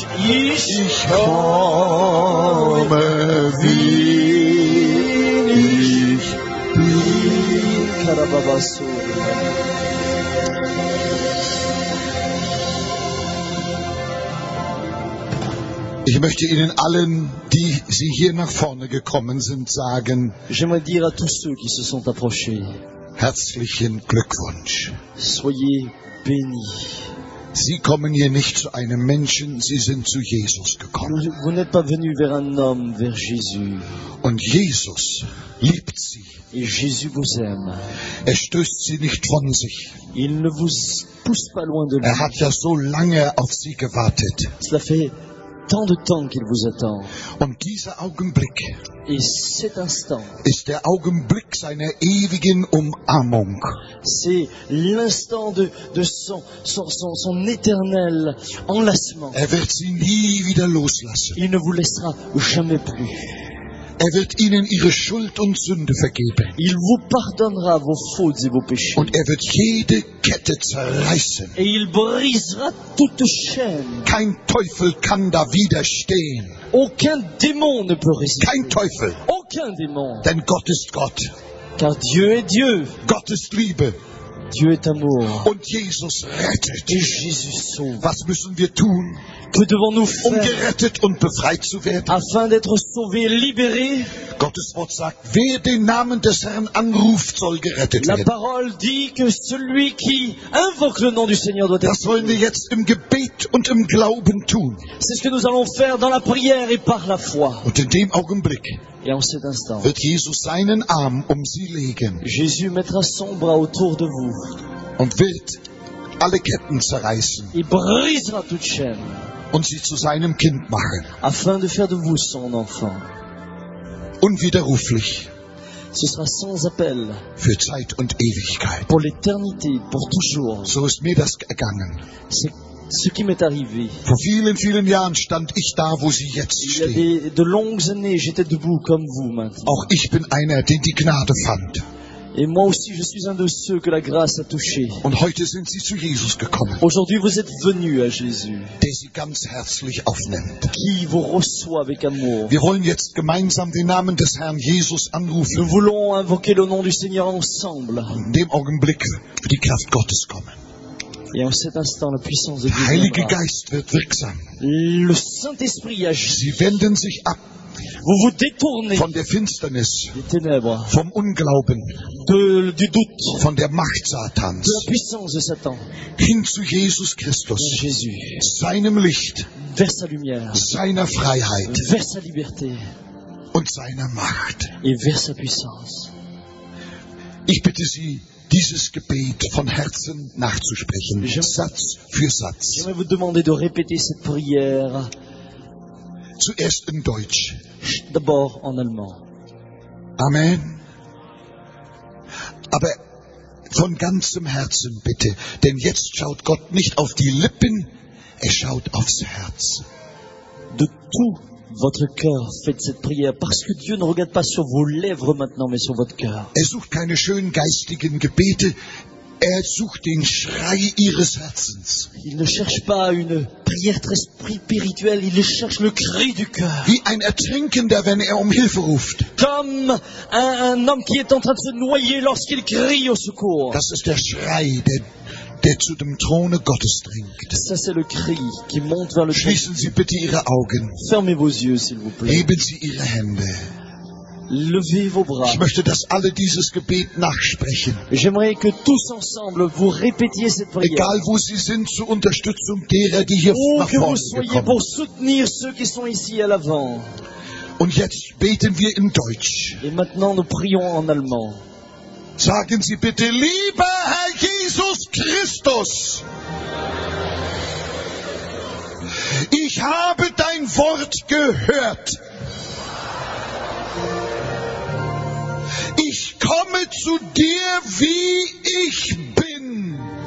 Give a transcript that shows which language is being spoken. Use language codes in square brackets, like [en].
[de] Ich komme, wie ich bin. Karababasu. Ich möchte Ihnen allen, die Sie hier nach vorne gekommen sind, sagen, [fr] j'aimerais dire à tous ceux qui se sont approchés, [de] herzlichen Glückwunsch. [fr] Soyez bénis. [de] Sie kommen hier nicht zu einem Menschen, Sie sind zu Jesus gekommen. [fr] Vous n'êtes pas venu vers un homme, vers Jésus. [de] Und Jesus liebt Sie. [fr] Et Jésus vous aime. [de] Er stößt Sie nicht von sich. [fr] Il ne vous pousse pas loin de lui. [de] Er hat ja so lange auf Sie gewartet. [fr] Cela fait tant de temps qu'il vous attend. [de] Und dieser Augenblick, [fr] et cet instant, [de] ist der Augenblick seiner ewigen Umarmung. [fr] C'est l'instant de son éternel enlacement. [de] Er wird Sie nie wieder loslassen. [fr] Il ne vous laissera jamais plus. [de] Er wird Ihnen Ihre Schuld und Sünde vergeben. [fr] Il vous pardonnera vos fautes et vos péchés. [de] Und er wird jede Kette zerreißen. [fr] Et il brisera toute chaîne. [de] Kein Teufel kann da widerstehen. [fr] Aucun démon ne peut résister. [de] Kein Teufel. [fr] Aucun démon. [de] Denn Gott ist Gott. [fr] Car Dieu est Dieu. [de] Gott ist Liebe. [fr] Dieu est amour. [de] Und Jesus rettet. [fr] Et Jésus sauve. [de] Was müssen wir tun? [fr] Que devons-nous faire? [de] Um gerettet und befreit zu werden. [fr] Afin d'être sauvé, libéré. [de] Gottes Wort sagt, wer den Namen des Herrn anruft, soll gerettet [fr] la [de] werden. [fr] La parole dit que celui qui invoque le nom du Seigneur doit être sauvé. [de] Das sollen wir jetzt im Gebet und im Glauben tun. [fr] C'est ce que nous allons faire dans la prière et par la foi. [de] Und in dem Augenblick. [fr] Et en cet instant. [de] Wird Jesus seinen Arm um sie legen. [fr] Jésus mettra son bras autour de vous. [de] Und wird alle Ketten zerreißen. [fr] Il brisera toute chaîne. [de] Und sie zu seinem Kind machen. [fr] Afin de faire de vous son enfant. [de] Unwiderruflich. [fr] Ce sera sans appel. [de] Für Zeit und Ewigkeit. [fr] Pour l'éternité, pour toujours. [de] So ist mir das ergangen. [fr] C'est ce qui m'est arrivé. [de] Vor vielen, vielen Jahren stand ich da, wo Sie jetzt stehen. [fr] De longues années, j'étais debout comme vous maintenant. [de] Auch ich bin einer, den die Gnade fand. [fr] Et moi aussi, je suis un de ceux que la grâce a touché. [de] Und heute sind Sie zu Jesus gekommen. [fr] Aujourd'hui, vous êtes venu à Jésus. [de] Der Sie ganz herzlich aufnimmt. [fr] Qui vous reçoit avec amour. [de] Wir wollen jetzt gemeinsam den Namen des Herrn Jesus anrufen. [fr] Nous voulons invoquer le nom du Seigneur ensemble. [de] In dem Augenblick wird die Kraft Gottes kommen. [fr] Et en cet instant, la puissance de Dieu. [de] Der Heilige Geist wird wirksam. [fr] Le Saint-Esprit agit. [de] Sie wenden sich ab. [fr] Vous vous détournez [de] von der Finsternis, [fr] des ténèbres, [de] vom Unglauben, [fr] du doute, [de] von der Macht Satans, [fr] de la puissance de Satan, [de] hin zu Jesus Christus, [fr] Jésus, [de] seinem Licht, [fr] vers sa lumière, [de] seiner Freiheit, [fr] vers sa liberté, [de] und seiner Macht, [fr] et vers sa puissance. [de] Ich bitte Sie, dieses Gebet von Herzen nachzusprechen, Satz für Satz. [fr] J'aimerais vous demander de répéter cette prière. [de] Zuerst in Deutsch. [fr] D'abord en allemand. [de] Amen. Aber von ganzem Herzen bitte. Denn jetzt schaut Gott nicht auf die Lippen, er schaut aufs Herz. [fr] De tout votre cœur, faites cette prière. Parce que Dieu ne regarde pas sur vos lèvres maintenant, mais sur votre cœur. [de] Er sucht keine schönen geistigen Gebete. Er sucht den Schrei ihres Herzens. [fr] Il ne cherche pas une prière très spirituelle, il cherche le cri du cœur. [de] Wie ein Ertrinkender, wenn er um Hilfe ruft. [fr] Comme un homme qui est en train de se noyer lorsqu'il crie au secours. [de] Das ist der Schrei, der zu dem Throne Gottes dringt. [fr] Ça, c'est le cri qui monte vers le Trône. [de] Schließen Sie bitte Ihre Augen. [fr] Fermez vos yeux, s'il vous plaît. [de] Heben Sie Ihre Hände. [fr] Levez vos bras. [de] Ich möchte, dass alle dieses Gebet nachsprechen. [fr] J'aimerais que tous ensemble vous répétiez cette prière. [de] Egal wo Sie sind zur Unterstützung derer, die hier vorne kommen. [fr] Où que vous soyez pour soutenir ceux qui sont ici à l'avant. [de] Und jetzt beten wir in Deutsch. [fr] Et maintenant nous prions en allemand. [de] Sagen Sie bitte, lieber Herr Jesus Christus. Ich habe dein Wort gehört. Ich komme zu dir, wie ich bin.